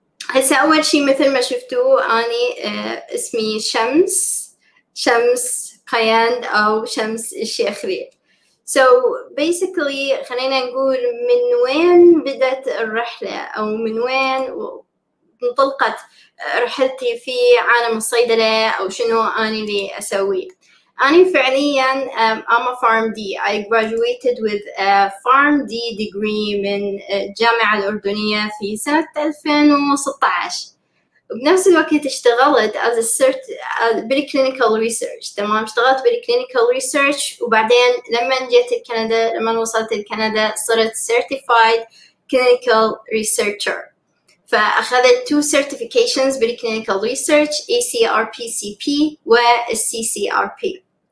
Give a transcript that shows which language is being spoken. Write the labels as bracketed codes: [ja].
[ar] هسه أول شيء مثل ما شفتوا أنا اسمي شمس قياند أو شمس الشيخري. [en] So basically [ar] خلينا نقول من وين بدت الرحلة أو من وين انطلقت رحلتي في عالم الصيدلة أو شنو أنا اللي أسوي. أنا فعليا [en] I'm a PharmD. I graduated with a PharmD degree [ar] من الجامعة الأردنية في سنة 2016. بنفس الوقت اشتغلت [en] as a cert [ar] بالكلينيكال ريسيرش، تمام؟ اشتغلت بالكلينيكال ريسيرش وبعدين لما وصلت لكندا صرت [en] certified clinical researcher. [ar] فأخذت [en] 2 certifications [ar] بالكلينيكال ريسيرش، ACRPCP والCCRP.